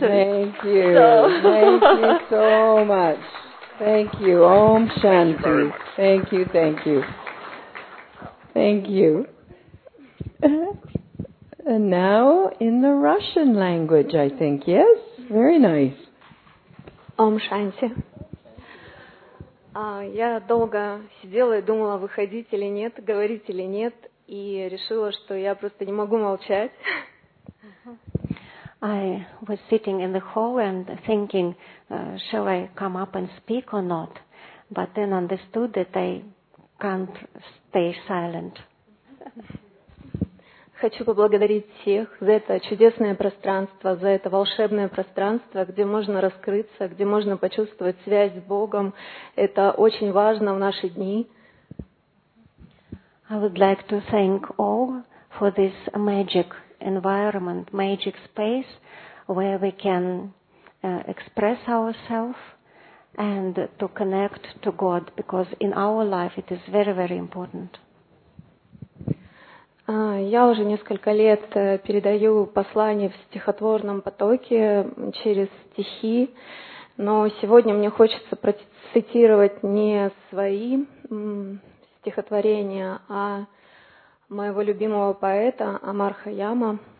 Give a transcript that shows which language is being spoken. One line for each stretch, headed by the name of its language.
English: Thank you. Thank you so much. Thank you.
Sanskrit: Om Shanti.
English: Thank you. Thank you. Thank you. Thank you. And now in the Russian language, I think. Yes? Very nice.
Sanskrit: Om Shanti.
Russian: Я долго сидела и думала, выходить или нет, говорить или нет, и решила, что я просто не могу молчать.
English: I was sitting in the hall and thinking, shall I come up and speak or not? But then understood that I can't stay silent.
Russian: Хочу поблагодарить всех за это чудесное пространство, за это волшебное пространство, где можно раскрыться, где можно почувствовать связь с Богом. Это очень важно в наши дни.
English: I would like to thank all for this magic environment, magic space where we can express ourselves and to connect to God, because in our life it is very, very important.
Russian: Я уже несколько лет передаю послания в стихотворном потоке через стихи, но сегодня мне хочется процитировать не свои стихотворения, а моего любимого поэта Амар Хайяма.